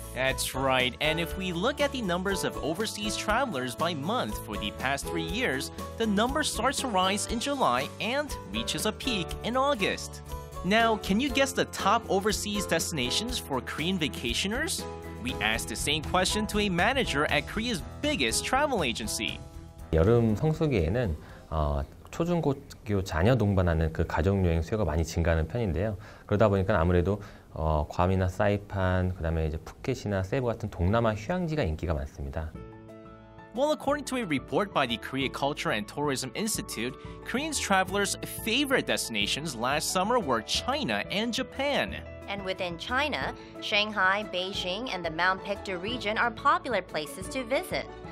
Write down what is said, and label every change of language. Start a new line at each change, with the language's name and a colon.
English: That's right, and if we look at the numbers of overseas travelers by month for the past 3 years, the number starts to rise in July and reaches a peak in August. Now, can you guess the top overseas destinations for Korean vacationers? We asked the same question to a manager at Korea's biggest travel agency.
Korean: 여름 성수기에는 초중고교 자녀 동반하는 그 가족 여행 수요가 많이 증가하는 편인데요. 그러다 보니까 아무래도 괌이나 사이판, 그다음에 이제 푸켓이나 세부 같은 동남아 휴양지가 인기가 많습니다.
English: Well, according to a report by the Korea Culture and Tourism Institute, Korean travelers' favorite destinations last summer were China and Japan. And within China, Shanghai, Beijing, and the Mount Paektu region are popular places to visit.